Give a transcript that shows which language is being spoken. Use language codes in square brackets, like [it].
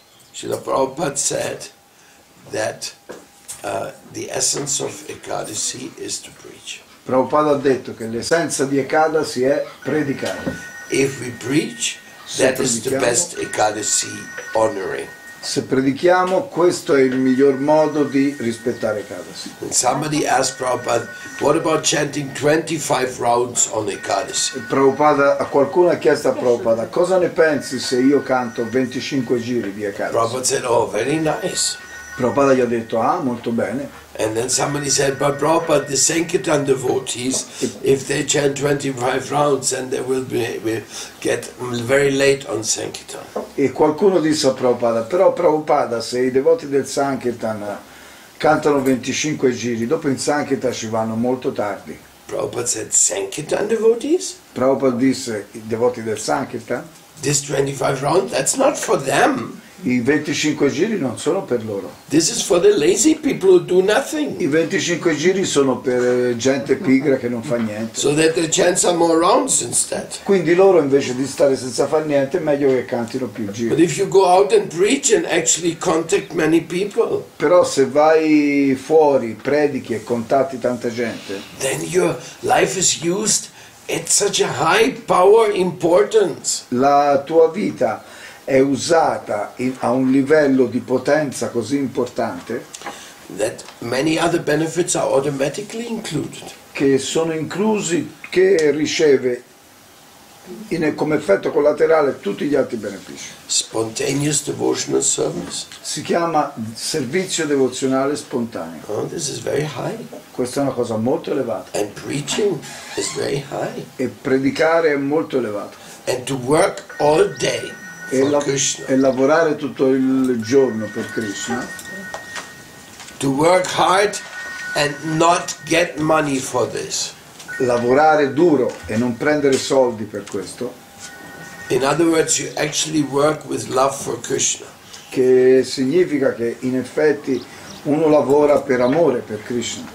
[en] Srila Prabhupada said that the essence of Ekadasi is to preach. [it] Prabhupada ha detto che l'essenza di Ekadasi è predicare. [en] If we preach, that is the best Ekadasi honoring. [it] Se predichiamo, questo è il miglior modo di rispettare Ekadasi. [en] Somebody asked Prabhupada, what about chanting 25 rounds on Ekadasi? [it] Prabhupada, qualcuno ha chiesto a Prabhupada, cosa ne pensi se io canto 25 giri di Ekadasi? [en] Prabhupada said, oh, very nice. [it] Prabhupada gli ha detto, ah, molto bene. [en] And then somebody said, but Prabhupada, the Sankirtan devotees, if they chant 25 rounds, then they will get very late on Sankirtan. [it] E qualcuno disse a Prabhupada, però Prabhupada, se i devoti del Sankirtan cantano 25 giri, dopo in Sankirtan ci vanno molto tardi. [en] Prabhupada said, Sankirtan devotees? [it] Prabhupada disse, i devoti del Sankirtan? [en] This 25 rounds, that's not for them. [it] I 25 giri non sono per loro. [en] This is for the lazy people who do nothing. [it] I 25 giri sono per gente pigra che non fa niente. [en] So that they chant some more rounds instead. [it] Quindi loro invece di stare senza far niente è meglio che cantino più giri. [en] But if you go out and preach and actually contact many people. [it] Però se vai fuori, predichi e contatti tanta gente. [en] Then your life is used at such a high power importance. [it] La tua vita è usata a un livello di potenza così importante [en] that many other benefits are automatically included. [it] Che sono inclusi, che riceve come effetto collaterale tutti gli altri benefici. [en] Spontaneous devotional service. [it] Si chiama servizio devozionale spontaneo. [en] Oh, this is very high. [it] Questa è una cosa molto elevata. [en] And preaching is very high. [it] E predicare è molto elevato. [en] And to work all day. [it] E lavorare tutto il giorno per Krishna. [en] To work hard and not get money for this. [it] Lavorare duro e non prendere soldi per questo. [en] In other words, you actually work with love for Krishna. [it] Che significa che in effetti uno lavora per amore per Krishna.